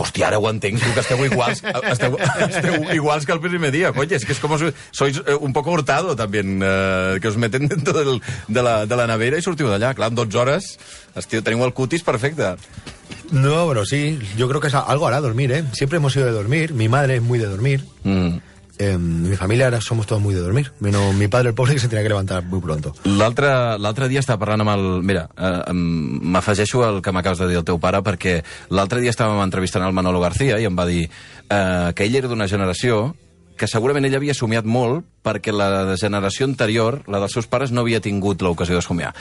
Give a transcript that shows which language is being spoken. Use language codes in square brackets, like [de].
[ca] Hòstia, ara ho entenc, tu, que esteu iguals, esteu iguals que el primer dia, coi, és que és com... [es] Sois [ca] un poc hurtado, també, que us [es] meten dentro [ca] de la nevera i sortiu d'allà. Clar, en 12 hores, hòstia, teniu el cutis perfecte. No, però sí, jo crec que és algo ara dormir, eh? Sempre [es] hemos ido de dormir, mi madre es muy de dormir... Mm. Mi familia ahora somos todos muy de dormir, menos mi padre el pobre que se tenía que levantar muy pronto. [ca] L'altre dia estava parlant amb el... Mira, m'afegeixo al que m'acabes de dir el teu pare, perquè l'altre dia estàvem entrevistant el Manolo García i em va dir que ell era d'una generació que segurament ell havia somiat molt perquè la generació anterior, la dels seus pares, no havia tingut l'ocasió de somiar.